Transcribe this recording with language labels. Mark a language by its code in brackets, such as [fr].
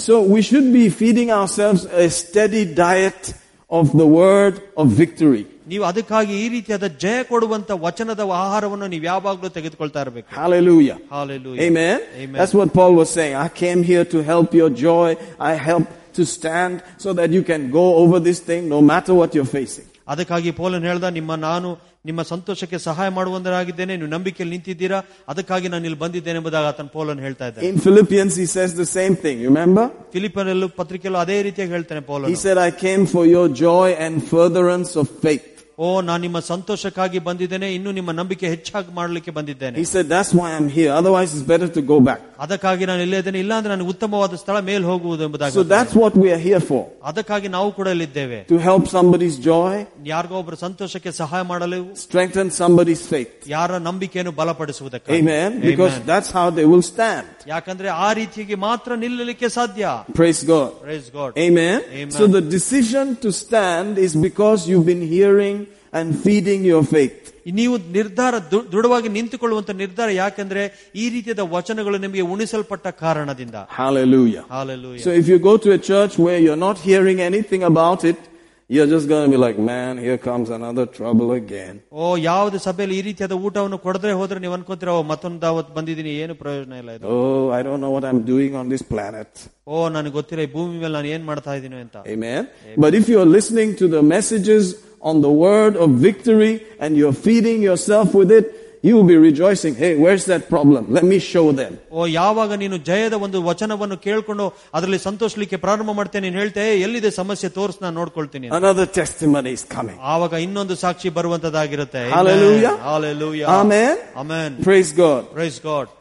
[en] So we should be feeding ourselves a steady diet of the word of victory. [kn] ನೀವು ಅದಕ್ಕಾಗಿ ಈ ರೀತಿಯಾದ ಜಯ ಕೊಡುವಂತ ವಚನದ ಆಹಾರವನ್ನು ನೀವು ಯಾವಾಗಲೂ ತೆಗೆದುಕೊಳ್ತಾ ಇರಬೇಕು. [en] Hallelujah. Hallelujah. Amen. Amen. That's what Paul was saying. I came here to help your joy. I help to stand so that you can go over this thing no matter what you're facing. [kn] ಅದಕ್ಕಾಗಿ ಪೌಲನ್ ಹೇಳ್ದ, ನಿಮ್ಮ ನಾನು ನಿಮ್ಮ ಸಂತೋಷಕ್ಕೆ ಸಹಾಯ ಮಾಡುವಂತಾಗಿದ್ದೇನೆ, ನೀವು ನಂಬಿಕೆಯಲ್ಲಿ ನಿಂತಿದ್ದೀರಾ, ಅದಕ್ಕಾಗಿ ನಾನು ಇಲ್ಲಿ ಬಂದಿದ್ದೇನೆ ಎಂಬುದಾಗಿ ಆತನ ಪೌಲನ್ ಹೇಳ್ತಾ ಇದ್ದಾನೆ. [en] In Philippians he says the same thing, you remember? [kn] ಫಿಲಿಪ್ಪಿಯರಲ್ಲೂ ಪತ್ರಿಕೆಯಲ್ಲೂ ಅದೇ ರೀತಿಯಾಗಿ ಹೇಳ್ತಾನೆ ಪೌಲನ್. [en] He said, I came for your joy and furtherance of faith. [kn] ಓ, ನಾನು ನಿಮ್ಮ ಸಂತೋಷಕ್ಕಾಗಿ ಬಂದಿದ್ದೇನೆ, ಇನ್ನು ನಿಮ್ಮ ನಂಬಿಕೆ ಹೆಚ್ಚಾಗಿ ಮಾಡಲಿಕ್ಕೆ ಬಂದಿದ್ದೇನೆ. [en] He said, that's why I'm here, otherwise it's better to go back. [kn] ಅದಕ್ಕಾಗಿ ನಾನು ಇಲ್ಲೇ ಇದ್ದೇನೆ, ಇಲ್ಲ ಅಂದ್ರೆ ನಾನು ಉತ್ತಮವಾದ ಸ್ಥಳ ಮೇಲೆ ಹೋಗುವುದು ಎಂಬುದಾಗಿ. [en] So that's what we are here for. [kn] ಅದಕ್ಕಾಗಿ ನಾವು ಕೂಡ ಇಲ್ಲಿದ್ದೇವೆ. [en] To help somebody's joy. [kn] ಯಾರಿಗೋ ಒಬ್ಬರ ಸಂತೋಷಕ್ಕೆ ಸಹಾಯ ಮಾಡಲು. [en] Strengthen somebody's faith. [kn] ಯಾರ ನಂಬಿಕೆಯನ್ನು ಬಲಪಡಿಸುವುದಕ್ಕೆ. [en] Amen. Because that's how they will stand. [kn] ಯಾಕಂದ್ರೆ ಆ ರೀತಿಯಾಗಿ ಮಾತ್ರ ನಿಲ್ಲಲಿಕ್ಕೆ ಸಾಧ್ಯ. [en] Praise God. Praise God. Amen. Amen. So the decision to stand is because you've been hearing and feeding your faith. [kn] ನೀವು ನಿರ್ಧಾರ ದೃಢವಾಗಿ ನಿಂತುಕೊಳ್ಳುವಂತ ನಿರ್ಧಾರ ಯಾಕಂದ್ರೆ ಈ ರೀತಿಯ ವಚನಗಳು ನಿಮಗೆ ಉಣಿಸಲ್ಪಟ್ಟ ಕಾರಣದಿಂದ. [en] Hallelujah. Hallelujah. So if you go to a church where you're not hearing anything about it, you're just going to be like, man, here comes another trouble again. [kn] ಓ, ಯಾವುದು ಸಭೆಯಲ್ಲಿ ಈ ರೀತಿಯಾದ ಊಟವನ್ನು ಕೊಡದ್ರೆ ಹೋದ್ರೆ ನೀವು ಅನ್ಕೊಂತೀರಾ, ಓ, ಮತ್ತೊಂದು ಅವತ್ ಬಂದಿದ್ದೀನಿ, ಏನು ಪ್ರಯೋಜನ ಇಲ್ಲ ಇದು. [en] Oh, I don't know what I am doing on this planet. [kn] ಓ, ನನಗೆ ಗೊತ್ತಿಲ್ಲ ಈ ಭೂಮಿ ಮೇಲೆ ನಾನು ಏನ್ ಮಾಡ್ತಾ ಇದ್ದೀನಿ ಅಂತ. [en] Amen. But if you are listening to the messages on the word of victory and you're feeding yourself with it, you will be rejoicing. Hey, where's that problem? Let me show them. [kn] ಓ, ಯಾವಾಗ ನೀನು ಜಯದ ಒಂದು ವಚನವನ್ನು ಕೇಳಿಕೊಂಡು ಅದರಲ್ಲಿ ಸಂತೋಷಲಿಕ್ಕೆ ಪ್ರಾರಂಭ ಮಾಡ್ತೇನೆ, ನೀನು ಹೇಳ್ತೇ, ಎಲ್ಲಿದೆ ಸಮಸ್ಯೆ ತೋರಿಸ್, ನಾನು ನೋಡ್ಕೊಳ್ತೀನಿ. [en] Another testimony is coming. [kn] ಆವಾಗ ಇನ್ನೊಂದು ಸಾಕ್ಷಿ ಬರುವಂತದಾಗಿರುತ್ತೆ. [en] Hallelujah. Hallelujah. Amen. Amen. Praise God. Praise God.